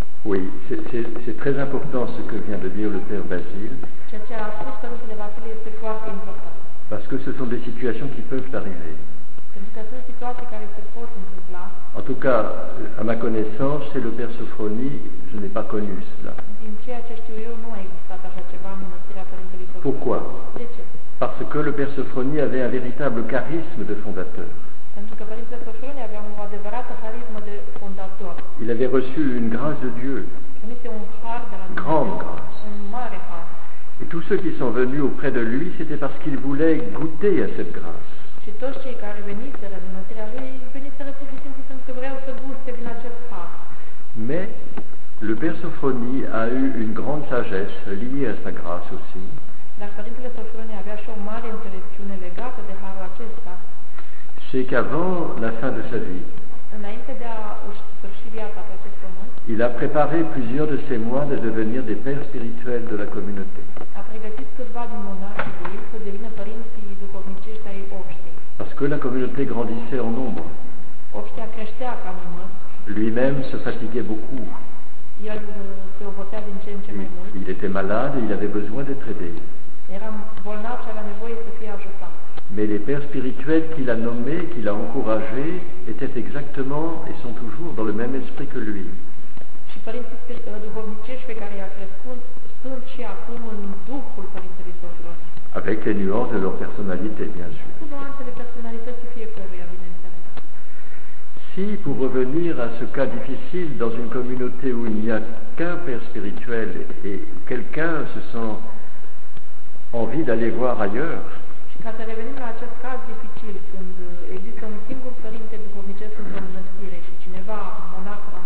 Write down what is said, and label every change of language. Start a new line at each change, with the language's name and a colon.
French: Oui, c'est très important ce que vient de dire le père Basile.
Romanian: Ceea ce a spus părintele Basile este foarte important.
French: Parce que ce sont des situations qui peuvent arriver.
Romanian: Pentru că sunt situații care se pot întâmpla.
French: En tout cas, à ma connaissance, chez le père Sofronie, je n'ai pas connu cela.
Romanian: Din ceea ce știu eu, nu a existat așa ceva în mănăstirea părintelui Sofronie.
French: Pourquoi?
Romanian: De ce?
French: Parce que le père Sofronie avait un véritable charisme de fondateur.
Romanian: Pentru că părintele Sofronie avea o adevărată charismă de fondator.
French: Il avait reçu une grâce de Dieu.
Romanian: Primise un har de la Dumnezeu.
French: Grande grâce.
Romanian: Un mare har.
French: Et tous ceux qui sont venus auprès de lui, c'était parce qu'ils voulaient goûter à cette grâce.
Romanian: Și toți cei care veniseră din mănăstirea lui, veniseră pur și simplu pentru că vreau să guste din acest har.
French: Mais le père Sofronie a eu une grande sagesse liée à sa grâce aussi.
Romanian: Dar părintele Sofronie avea și o mare înțelepciune legată de harul acesta.
French: C'est qu'avant la fin de sa vie,
Romanian: înainte de a sfârși viața pe acest pământ,
French: il a préparé plusieurs de ses moines de devenir des pères spirituels de la communauté.
Romanian: A pregătit câțiva din monașii lui să devină părinți duhovnicești ai obștei.
French: Parce que la communauté grandissait en nombre.
Romanian: Obștea creștea ca număr.
French: Lui-même se fatiguait beaucoup.
Romanian: El se obosea din ce în ce mai mult.
French: Il était malade et il avait besoin d'être aidé.
Romanian: Era bolnav și avea nevoie să fie ajutat.
French: Mais les pères spirituels qu'il a nommés, qu'il a encouragés, étaient exactement et sont toujours dans le même esprit que lui.
Romanian: Și părinții duhovnicești pe care i-a crescut sunt și acum în Duhul Părintelui Sofron.
French: Avec les nuances de leur personnalité, bien sûr.
Romanian: Cu nuanțele personalității fiecăruia, bineînțeles.
French: Si, pour revenir à ce cas difficile, dans une communauté où il n'y a qu'un père spirituel et quelqu'un se sent envie d'aller voir ailleurs,
Romanian: și ca să revenim la acest caz dificil, când există un singur părinte duhovnicesc într-o mănăstire și cineva, monah,